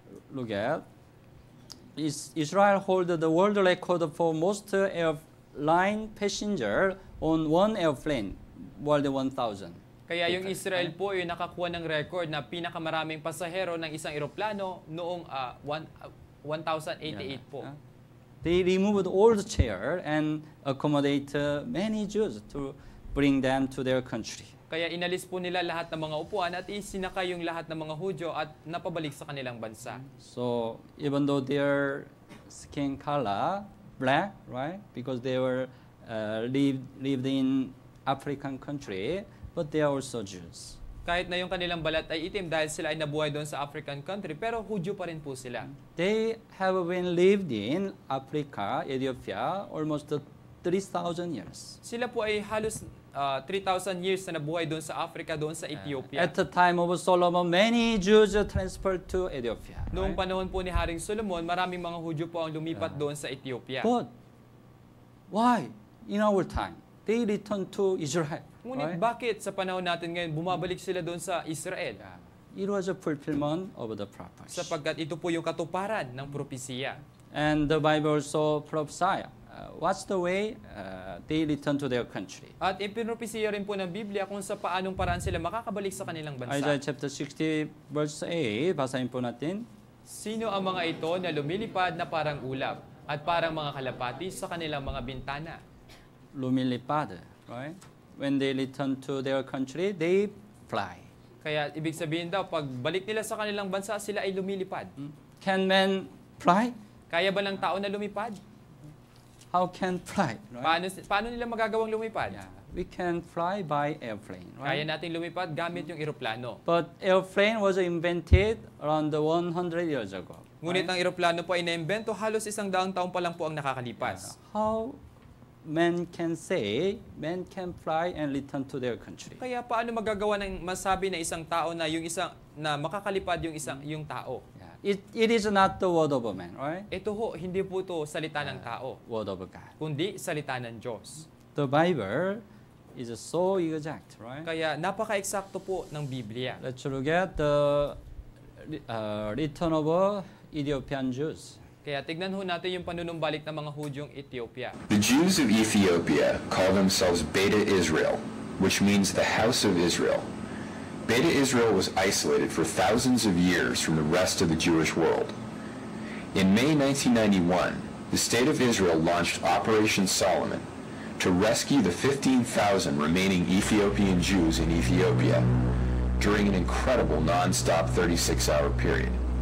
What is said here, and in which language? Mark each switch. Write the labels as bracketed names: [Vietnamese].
[English] Look at, Israel hold the world record for most airline passenger on one airplane, world 1,000. [Filipino] Kaya yung Israel po yung nakakuha ng record na pinakamaraming pasahero ng isang aeroplano noong 1,088 po. [English] They removed all the chair and accommodate many Jews to bring them to their country. [Filipino] Kaya inalis po nila lahat ng mga upuan at isinakay yung lahat ng mga Hudyo at napabalik sa kanilang bansa. [English] So, even though their skin color black, right? Because they were lived in African country, but they are also Jews. [Filipino] Kahit na yung kanilang balat ay itim dahil sila ay nabuhay doon sa African country, pero Hudyo pa rin po sila. [English] They have been lived in Africa, Ethiopia, almost 3,000 years. [Filipino] Sila po ay halos 3,000 years na nabuhay doon sa Africa, doon sa Ethiopia. [English] At the time of Solomon, many Jews are transferred to Ethiopia. Right? [Filipino] Noong panahon po ni Haring Solomon, maraming mga Hudyo po ang lumipat doon sa Ethiopia. [English] But why in our time they return to Israel? [Filipino] Ngunit Bakit sa panahon natin ngayon bumabalik sila doon sa Israel? [English] It was a fulfillment of the prophecy. [Filipino] Sapagkat ito po yung katuparan ng propesya. [English] And the Bible also prophesied. What's the way they return to their country? [Filipino] At ipinropesya rin po ng Biblia kung sa paanong paraan sila makakabalik sa kanilang bansa. [English] Isaiah chapter 60 verse 8, [Filipino] basahin po natin. Sino ang mga ito na lumilipad na parang ulap at parang mga kalapati sa kanilang mga bintana? Lumilipad, [English] right? When they return to their country, they fly. [Filipino] Kaya ibig sabihin daw, pag balik nila sa kanilang bansa, sila ay lumilipad. [English] Can men fly? [Filipino] Kaya ba ng tao na lumipad? [English] How can fly? Right? [Filipino] Paano nila magagawang lumipad? [English] Yeah. We can fly by airplane. Right? [Filipino] Kaya natin lumipad gamit yung eroplano. [English] But airplane was invented around 100 years ago. [Filipino] Ngunit [English] right? [Filipino] Ang eroplano po ay naimbento halos 100 taon pa lang po ang nakakalipas. [English] Yeah. How men can say men can fly and return to their country? [Filipino] Kaya paano magagawa ng masabi na isang tao na yung isang na makakalipad yung isang yung tao? [English] It is not the word of a man, right? [Filipino] Ito ho, hindi po ito salita ng tao. [English] Word of God. [Filipino] Kundi salita ng Diyos. [English] The Bible is so exact, right? [Filipino] Kaya napaka-eksakto po ng Biblia. [English] Let's look at the return of Ethiopian Jews. [Filipino] Kaya tignan ho natin yung panunumbalik ng mga Hudyong Ethiopia. [English] The Jews of Ethiopia call themselves Beta Israel, which means the house of Israel. Beta Israel was isolated for thousands of years from the rest of the Jewish world. In May 1991, the State of Israel launched Operation Solomon to rescue the 15,000 remaining Ethiopian Jews in Ethiopia during an incredible non-stop 36-hour period.